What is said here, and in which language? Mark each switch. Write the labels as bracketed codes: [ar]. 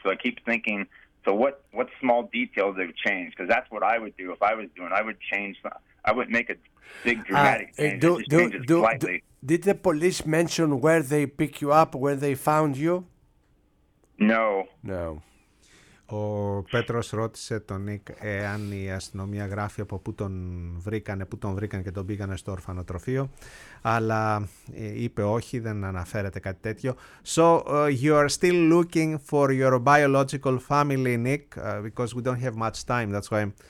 [en] So I keep thinking, so what small details have changed? Because that's what I would do if I was doing. I would change that. I would make a big dramatic change. Did the police mention where they pick you up, where they found you? No. [el] Ο Πέτρος ρώτησε τον Νίκ εάν η αστυνομία γράφει από πού τον βρήκανε, και τον πήγανε στο ορφανοτροφείο, αλλά είπε όχι, δεν αναφέρεται κάτι τέτοιο. [en] So you are still looking for your biological family, Nick, because we don't have much time, that's why.